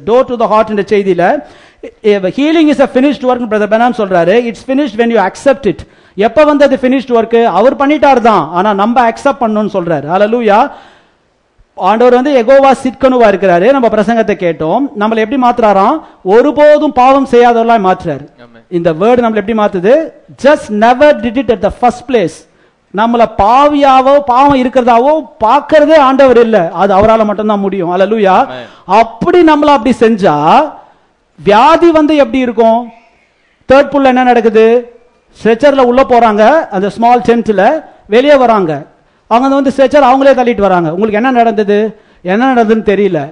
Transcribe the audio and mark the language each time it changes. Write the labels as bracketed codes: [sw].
[ta] Door to the heart என்ற செய்தியில [en] healing is a finished work [ta] brother Benham solraru. [en] It's finished when you accept it. [ta] எப்ப வந்து அது [en] finished work? [ta] அவர் பண்ணிட்டார் தான், ஆனா நம்ம accept பண்ணனும் சொல்றாரு. ஹalleluya. ஆண்டவர் வந்து எகோவா சிட்கனுவா இருக்கிறாரு. நம்ம பிரசங்கத்தை கேட்டோம், நம்மளை எப்படி மாத்துறாராம்? ஒருபோதும் பாவம் செய்யாதவர்களாய் மாற்றுறாரு. இந்த வேர்ட் நம்மளை எப்படி மாத்துது? [en] Just never did it at the first place. [ta] நம்மள பாவியாவோ பாவம் இருக்கிறதாவோ பாக்குறதே ஆண்டவர் இல்ல, அது அவரால் மட்டும்தான் முடியும். ஹalleluya. அப்படி நம்மள அப்படி செஞ்சா வியாதி வந்து எப்படி இருக்கும்? தேர்ட் புல்ல என்ன நடக்குது? ஸ்ட்ரெச்சர்ல உள்ள போறாங்க, அந்த ஸ்மால் டென்ட்ல வெளியே வராங்க, அவங்க வந்து ஸ்ட்ரெச்சர் அவங்களே தள்ளிட்டு வராங்க. உங்களுக்கு என்ன நடந்தது? என்ன நடந்ததுன்னு தெரியல.